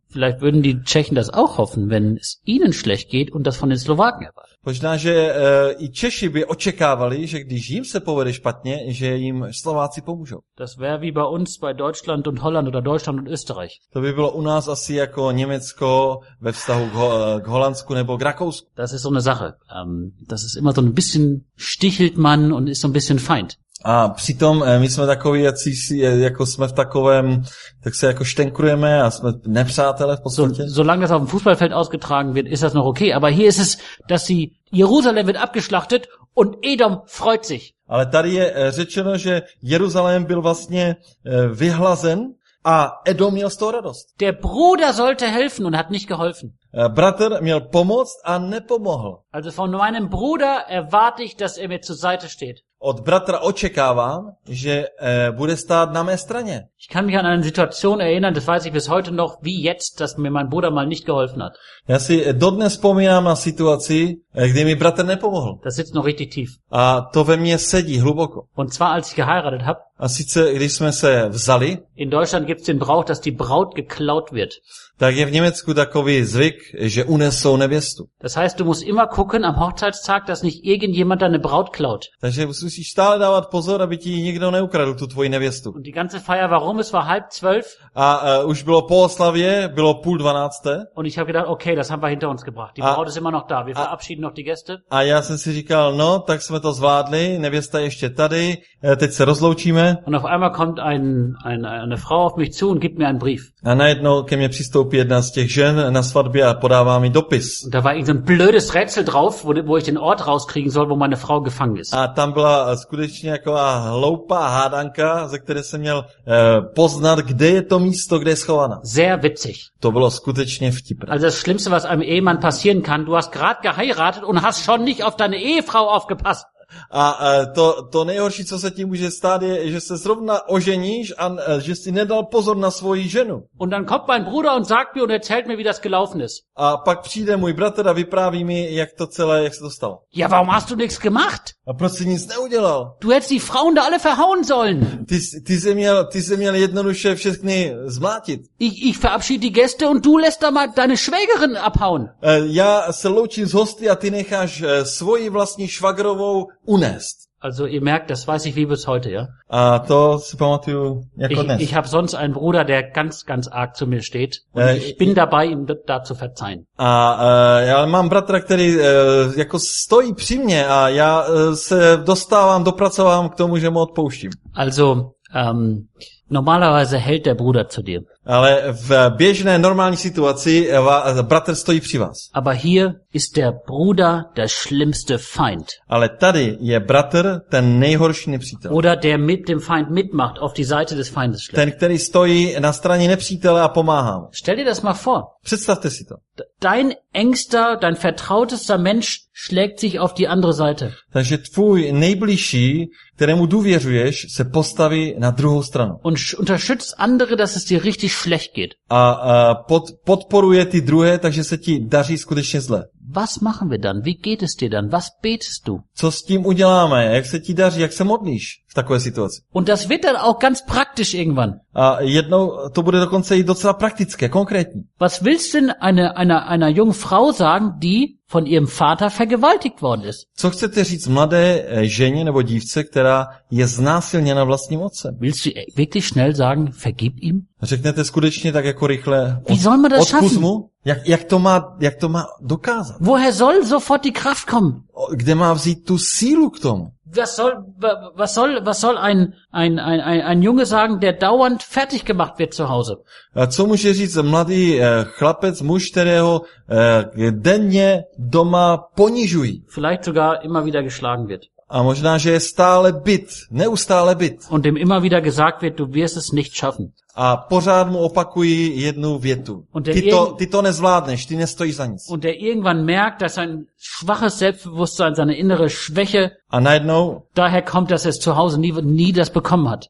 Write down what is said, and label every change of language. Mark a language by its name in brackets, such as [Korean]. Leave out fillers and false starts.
[German] Vielleicht würden die Tschechen das auch hoffen, wenn es ihnen schlecht geht und das von den Slowaken erwarten. [Czech] Možná, že i Češi by očekávali, že když jim se povede špatně, že jim Slováci pomůžou. [German] Das wäre wie bei uns bei Deutschland und Holland oder Deutschland und Österreich. [Czech] To by bylo u nás asi jako Německo ve vztahu k Holandsku nebo k Rakousku. [German] Das ist so eine Sache. Das ist immer so ein bisschen stichelt man und ist so ein bisschen Feind. [Czech] A přitom my jsme takoví, jako jsme v takovém, tak se jako štenkrujeme a jsme nepřátelé v podstatě. [German] Solange das auf dem Fußballfeld ausgetragen wird, ist das noch okay, aber hier ist es, dass sie Jerusalem wird abgeschlachtet und Edom freut sich. [Czech] Ale tady je řečeno, že Jeruzalém byl vlastně vyhlazen a Edom měl z toho radost. [German] Der Bruder sollte helfen und hat nicht geholfen. [Czech] Bratr měl pomoct a nepomohl. [German] Also von meinem Bruder erwarte ich, dass er mir zur Seite steht. [Czech] Od bratra očekávám, že bude stát na mé straně. [German] Ich kann mich an eine Situation erinnern, das weiß ich bis heute noch, wie jetzt, dass mir mein Bruder mal nicht geholfen hat. [Czech] Já si dodnes vzpomínám na situaci, kdy mi bratr nepomohl. [German] Das sitzt noch richtig tief. [Czech] A to ve mně sedí hluboko. [German] Und zwar als ich geheiratet habe. [Czech] A sice, když jsme se vzali. [German] In Deutschland gibt's den Brauch, dass die Braut geklaut wird. [Czech] Tak je v Německu takový zvyk, že unesou nevěstu. [German] Das heißt, du musst immer gucken am Hochzeitstag, dass nicht irgendjemand deine Braut klaut. [Czech] Takže musíš stále dávat pozor, aby ti nikdo neukradl tu tvoji nevěstu. [German] Und die ganze Feier, warum? Es war halb zwölf. [Czech] A už bylo po oslavě, bylo půl dvanácté. [German] Und ich habe gedacht, okay, das haben wir hinter uns gebracht. Die Braut ist immer noch da. Wir verabschieden noch die Gäste. [Czech] A já jsem si říkal, no, tak jsme to zvládli. Nevěsta ještě tady. Teď se rozloučíme. [German] Und auf einmal kommt eine Frau auf mich zu und gibt mir einen Brief. [Czech] A najednou ke mně přistoupí jedna z těch žen na svatbě a podává mi dopis. [German] Da war irgendein blödes Rätsel drauf, wo ich den Ort rauskriegen soll, wo meine Frau gefangen ist. [Czech] A tam byla skutečně jako hloupá hádanka, ze které jsem měl poznat, kde je to místo, kde je schovaná. [German] Sehr witzig. [Czech] To bylo skutečně vtipné. [German] Also das Schlimmste, was einem Ehemann passieren kann, du hast gerade geheiratet und hast schon nicht auf deine Ehefrau aufgepasst. [Czech] A to nejhorší, co se tím může stát, je, že se zrovna oženíš a že jsi nedal pozor na svoji ženu. [German] Und dann kommt mein Bruder und sagt mir und erzählt mir, wie das gelaufen ist. [Czech] A pak přijde můj bratr a vypráví mi, jak to celé, jak se to stalo. [German] Ja, warum hast du nichts gemacht? [Czech] A proč jsi nic neudělal? [German] Du hättest die Frauen da alle verhauen sollen. [Czech] Ty jsi měl jednoduše všechny zmlátit. [German] Ich verabschiede die Gäste und du lässt da mal deine Schwägerin abhauen. [Czech] Já se loučím s hosty a ty necháš svoji vlastní švagrovou unest. [German] Also ihr merkt, das weiß ich wie bis heute, ja? [Czech] A to si pamatuju jako dnes. [German] Ich habe sonst einen Bruder, der ganz, ganz arg zu mir steht. Und ich bin dabei, ihm da zu verzeihen. [Czech] Já mám bratra, který jako stojí při mně a já se dostávám, dopracovám k tomu, že mu odpouštím. [German] Also, normalerweise hält der Bruder zu dir. [Czech] Ale v běžné normální situaci bratr stojí při vás. [German] Aber hier ist der Bruder der schlimmste Feind. [Czech] Ale tady je bratr ten nejhorší nepřítel. [German] Oder der mit dem Feind mitmacht auf die Seite des Feindes schlägt. [Czech] Ten, který stojí na straně nepřítele a pomáhá. [German] Stell dir das mal vor. [Czech] Představte si to. [German] Dein engster, dein vertrautester Mensch schlägt sich auf die andere Seite. [Czech] Takže tvůj nejbližší, kterému důvěřuješ, se postaví na druhou stranu. [German] Und unterstützt andere, dass es dir richtig schlecht geht. [Czech] Podporuje ty druhé, takže se ti daří skutečně zle. [German] Was machen wir dann? Wie geht es dir dann? Was betest du? [Czech] Co s tím uděláme? Jak se ti daří? Jak se modlíš v takové situaci? [German] Und das wird dann auch ganz praktisch irgendwann. [Czech] A jednou to bude dokonce i docela praktické, konkrétní. [German] Was willst denn einer jungen Frau sagen, die von ihrem Vater vergewaltigt worden ist? [Czech] Co chcete říct mladé ženě nebo dívce, která je znásilněna vlastním otcem? [German] Willst du wirklich schnell sagen, vergib ihm? [Czech] Řeknete skutečně tak jako rychle, odpust mu? Jak to má dokázat? [German] Woher soll sofort die Kraft kommen? [Czech] Kde má vzít tu sílu k tomu? [German] Was soll ein Junge sagen, der dauernd fertig gemacht wird zu Hause? [Czech] Co může říct mladý chlapec, muž, kterého denně doma ponižují? [German] Vielleicht sogar immer wieder geschlagen wird. [Czech] A možná, že je stále bit, neustále bit. [German] Und dem immer wieder gesagt wird, du wirst es nicht schaffen. [Czech] A pořád mu opakují jednu větu. Ty to nezvládneš, ty nestojíš za nic. [German] Und der irgendwann merkt, dass sein schwaches Selbstbewusstsein, seine innere Schwäche, [Czech] a najednou, [German] daher kommt, dass er zu Hause nie das bekommen hat.